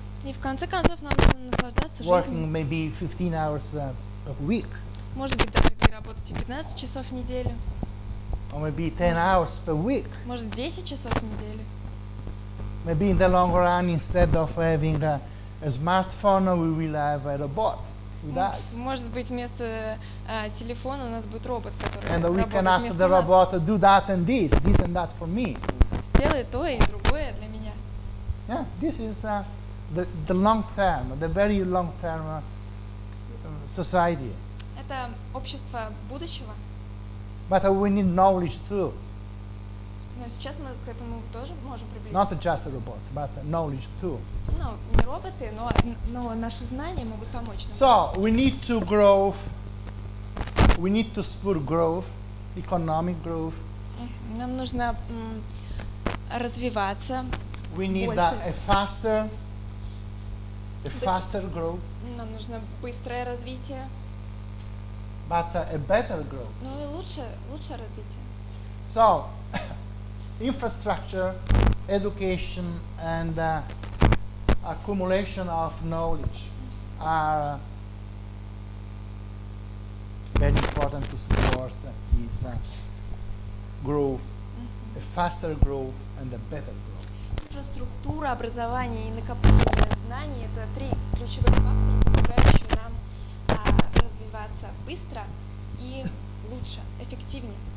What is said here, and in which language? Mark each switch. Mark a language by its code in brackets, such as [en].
[ru] И в конце концов нам нужно наслаждаться жизнью. [en] Working maybe 15 hours a week. [ru] Может быть даже где работать 15 часов в неделю. [en] Or maybe 10 hours per week. [ru] Может 10 часов в неделю. [en] Maybe in the long run, instead of having a smartphone, we will have a robot with us. [ru] Может быть вместо телефона у нас будет робот, который работает вместо нас. [en] And we can ask the robot to do that and this and that for me. [ru] Сделай то и другое для меня. [en] Yeah, this is the long term, the very long term society. [ru] Это общество будущего. [en] But we need knowledge too. [ru] Но сейчас мы к этому тоже можем приблизиться. [en] Not just robots, but knowledge too. [ru] Ну, не роботы, но наши знания могут помочь нам. [en] So we need to grow. We need to spur growth, economic growth. [ru] Нам нужно развиваться. [en] We need a faster growth. [ru] Нам нужно быстрое развитие. [en] But a better growth. [ru] Ну и лучше развитие. [en] So, infrastructure, education, and accumulation of knowledge are very important to support this growth, a faster growth, and a better growth. [ru] Инфраструктура, образование и накопление знаний — это три ключевых фактора, помогающие нам развиваться быстро и лучше, эффективнее.